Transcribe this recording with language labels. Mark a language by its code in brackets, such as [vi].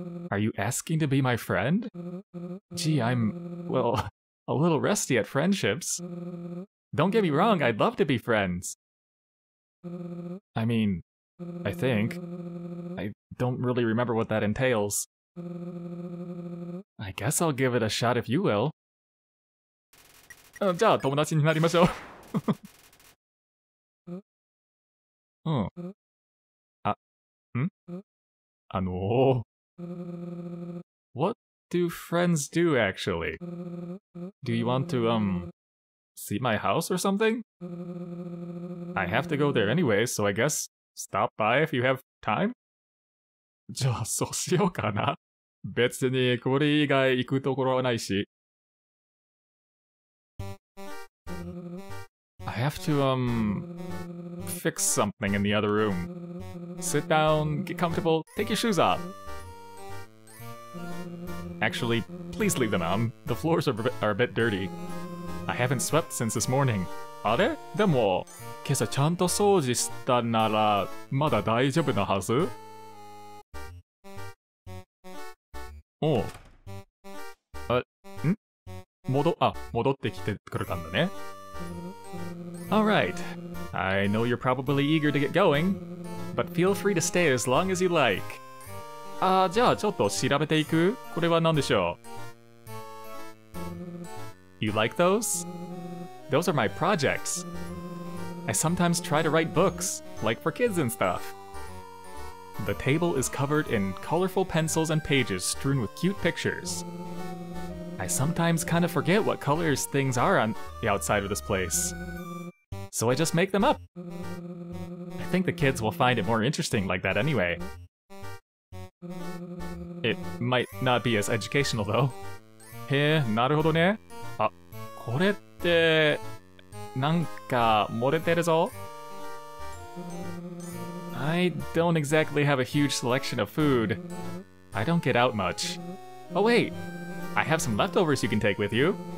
[en] Are you asking to be my friend? Gee, I'm, well, a little rusty at friendships. Don't get me wrong, I'd love to be friends. I mean, I think... Don't really remember what that entails. I guess I'll give it a shot if you will. [ja] じゃあ友達になりましょう。うん。あ、ん？あの。 [en] What do friends do actually? Do you want to, see my house or something? I have to go there anyway, so I guess stop by if you have time? [ja] じゃあ、そうしようかな。別にこれ以外行くところはないし。 [en] I have to, fix something in the other room. Sit down, get comfortable, take your shoes off. Actually, please leave them on. The floors are a bit dirty. I haven't swept since this morning. [ja] あれ？でも、今朝ちゃんと掃除したなら、まだ大丈夫なはず？おう、あ、ん？戻ってきてくれたんだね。 [en] Alright. I know you're probably eager to get going, but feel free to stay as long as you like. [ja] あ、じゃあちょっと調べていく？これは何でしょう？ [en] You like those? Those are my projects. I sometimes try to write books, like for kids and stuff. The table is covered in colorful pencils and pages strewn with cute pictures. I sometimes kind of forget what colors things are on the outside of this place. So I just make them up. I think the kids will find it more interesting like that anyway. It might not be as educational though. [ja] へえ、なるほどね。あ、これって、なんか漏れてるぞ。 [en] I don't exactly have a huge selection of food. I don't get out much. Oh wait, I have some leftovers you can take with you.